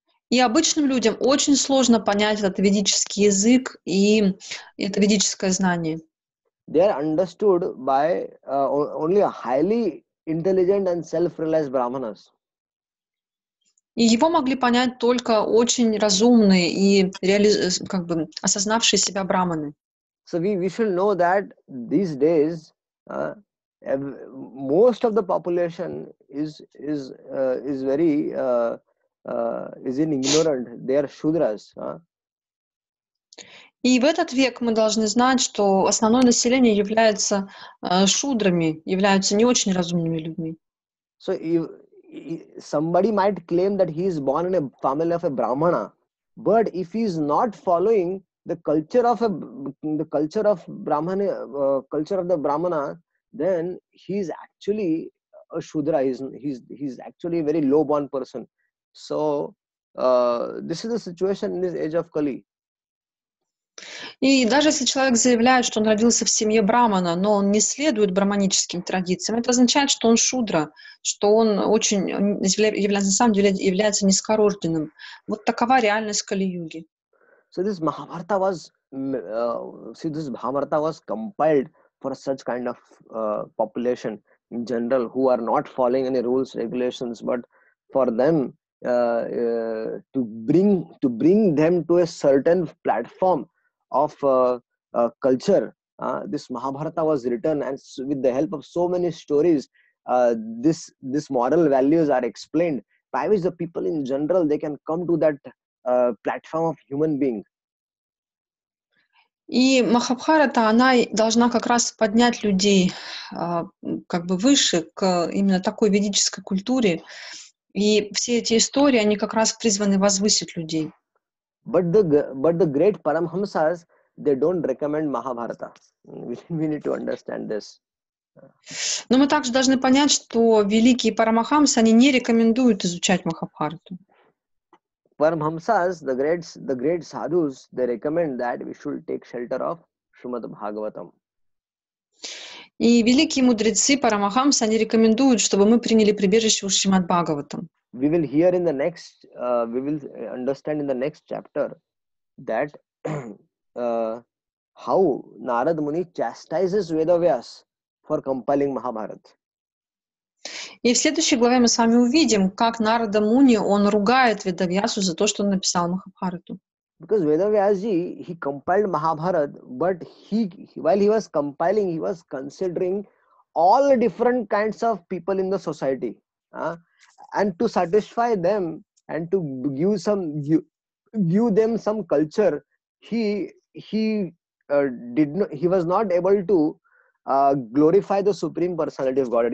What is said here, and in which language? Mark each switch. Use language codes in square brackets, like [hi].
[ru] И обычным людям очень сложно понять этот ведический язык и это ведическое знание. [en] They are understood by only a highly intelligent and self-realized brahmanas. [ru] И его могли понять только очень разумные и как бы осознавшие себя брахманы. [en] So we should know that these days most of the population is ignorant. They are shudras. [ru] И в этот век мы должны знать, что основное население является шудрами, являются не очень разумными людьми. [en] So somebody might claim that he is born in a family of a brahmana, but if he is not following the culture of the brahmana, then he is actually a shudra. He's actually a very low born person. So this is the situation in this age of Kali. [ru] И даже если человек заявляет, что он родился в семье брахмана, но он не следует брахманическим традициям, это означает, что он шудра, что он очень является, на самом деле является низкорожденным. Вот такова реальность Кали-юги. [en] So this Mahabharata was, this Mahabharata was compiled for such kind of population in general who are not following any rules, regulations, but for them to bring them to a certain platform of culture. This Mahabharata was written, and with the help of so many stories, this moral values are explained by which the people in general, they can come to that platform of human being. [ru] И Махабхарата, она должна как раз поднять людей как бы выше к именно такой ведической культуре. И все эти истории, они как раз призваны возвысить людей. [en] But the great Paramhamsas, they don't recommend Mahabharata. We need to understand this. [ru] Но мы также должны понять, что великие Парамахамсы, они не рекомендуют изучать Махабхарату. [en] Paramhamsas, the great sadhus, they recommend that we should take shelter of Srimad Bhagavatam. [ru] И великие мудрецы Парамахамсы, они рекомендуют, чтобы мы приняли прибежище у Шримад Бхагаватам. [en] We will hear in the next, we will understand in the next chapter that how Narad Muni chastises Vedavyas for compiling Mahabharata. [ru] И в следующей главе мы с вами увидим, как Нарада Муни, он ругает Ведавьясу за то, что он написал Махабхарату. [en] Because Vedavyasji, he compiled Mahabharata, but while he was compiling, he was considering all different kinds of people in the society. And to satisfy them and to give them some culture, he was not able to glorify the Supreme Personality of Godhead.